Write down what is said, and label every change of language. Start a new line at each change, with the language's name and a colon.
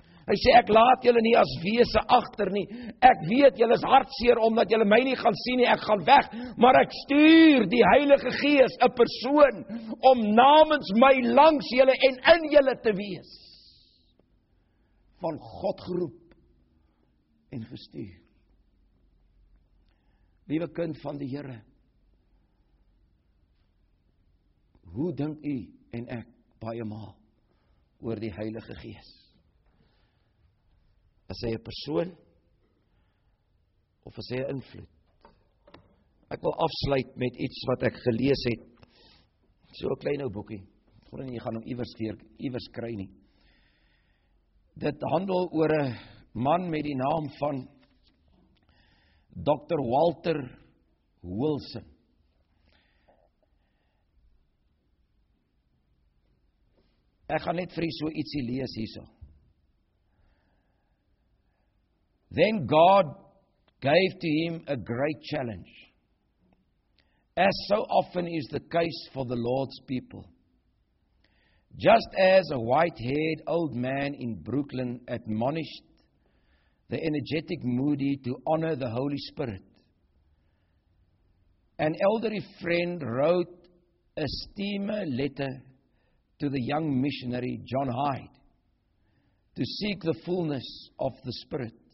Afrikaans: Hy sê, ek laat julle nie as wese agter nie. Ek weet, julle is hartseer omdat julle my nie gaan sien nie, ek gaan weg. Maar ek stuur die Heilige Gees, een persoon, om namens my langs julle en in julle te wees. Van God geroep en gestuur. Liewe kind van die Here, hoe dink u en ek baie maal oor die Heilige Gees? Is hy 'n persoon of is hy 'n invloed? Ek wil afsluit met iets wat ek gelees het. So 'n klein ou boekie. Gaan nie, jy gaan hom iewers kry nie. Dit handel oor 'n man met die naam van Dr. Walter Wilson. Ek gaan net vir so ietsie lees hierso.
English: Then God gave to him a great challenge. As so often is the case for the Lord's people. Just as a white-haired old man in Brooklyn admonished the energetic Moody to honor the Holy Spirit, an elderly friend wrote a steamer letter to the young missionary John Hyde to seek the fullness of the Spirit.